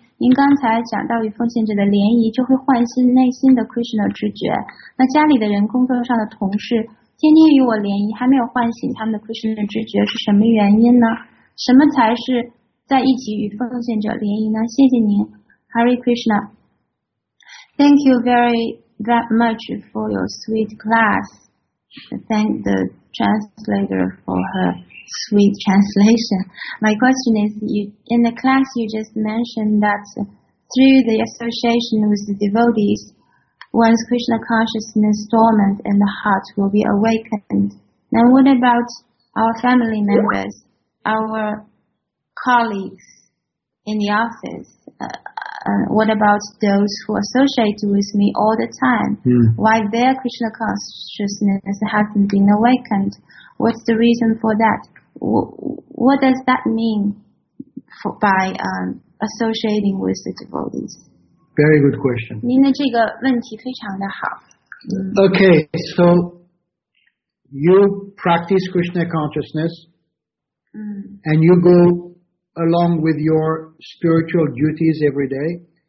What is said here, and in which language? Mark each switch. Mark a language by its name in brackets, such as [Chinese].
[Chinese] 您刚才讲到与奉献者的联谊就会唤醒内心的 Krishna 知觉，那家里的人工作上的同事天天与我联谊还没有唤醒他们的 Krishna 知觉是什么原因呢？什么才是在一起与奉献者联谊呢？谢谢您 Hare Krishna。 [English] Thank you very much for your sweet class. thank the translator for her sweet translation. My question is, in the class you just mentioned that through the association with the devotees, one's Krishna consciousness dormant in the heart will be awakened. Now what about our family members, our colleagues in the office? What about those who associate with me all the time? Why their Krishna consciousness hasn't been awakened? What's the reason for that? What does that mean by associating with the devotees? Very good question. [Chinese] 您的这个问题非常的好。 [English] Okay, so you practice Krishna consciousness, and you go along with your spiritual duties every day.